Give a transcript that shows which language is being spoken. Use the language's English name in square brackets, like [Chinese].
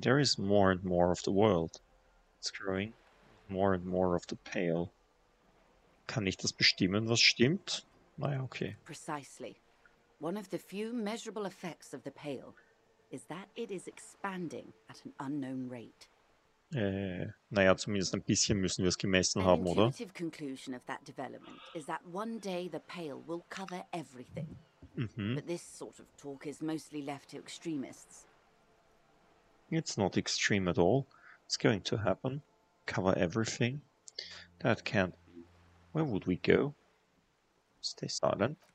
[English] There is more and more of the world. It's growing. More and more of the pale. [German] Kann ich das bestimmen, was stimmt? Naja, okay. [English] Precisely. One of the few measurable effects of the pale is that it is expanding at an unknown rate. [German] Naja, zumindest ein bisschen müssen wir es gemessen an haben, oder? [English] The intuitive conclusion of that development is that one day the pale will cover everything. Mm-hmm. But this sort of talk is mostly left to extremists. It's not extreme at all. It's going to happen. Cover everything. That can't... Where would we go? Stay silent.